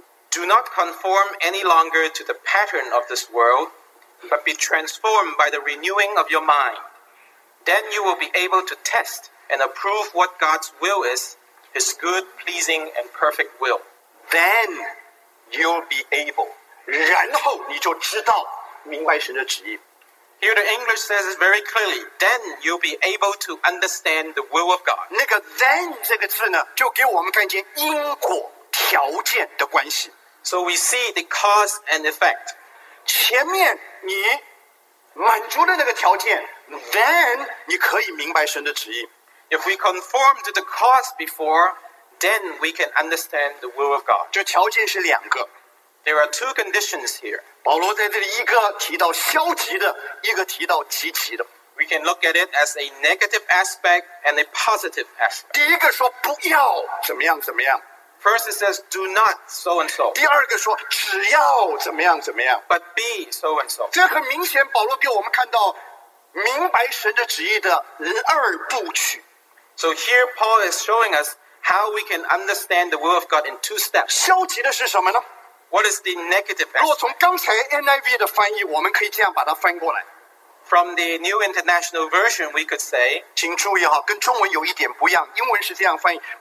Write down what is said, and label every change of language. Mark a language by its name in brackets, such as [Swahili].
[English] Do not conform any longer to the pattern of this world, but be transformed by the renewing of your mind. Then you will be able to test and approve what God's will is, His good, pleasing, and perfect will. Then you'll be able. [Chinese] 然后你就知道明白神的旨意。 [English] Here the English says it very clearly. Then you'll be able to understand the will of God. [Chinese] 那个 then这个字呢，就给我们看见因果条件的关系。 [English] So we see the cause and effect. [Chinese] 前面你满足了那个条件, then 你可以明白神的旨意。 [English] If we conform to the cause before, then we can understand the will of God. [Chinese] 这条件是两个。 [English] There are two conditions here. [Chinese] 保罗在这里一个提到消极的，一个提到积极的。 [English] We can look at it as a negative aspect and a positive aspect. [Chinese] 第一个说不要怎么样怎么样。 [English] First, it says, do not so-and-so. [Chinese] 第二个说,只要怎么样怎么样。 [English] But be so-and-so. [Chinese] 这很明显保罗给我们看到明白神的旨意的二部曲。 [English] So here, Paul is showing us how we can understand the will of God in two steps. [Chinese] 消极的是什么呢? [English] What is the negative aspect? [Chinese] 如果从刚才NIV的翻译,我们可以这样把它翻过来。 [English] From the New International Version, we could say, [Chinese] 请注意,跟中文有一点不一样,英文是这样翻译。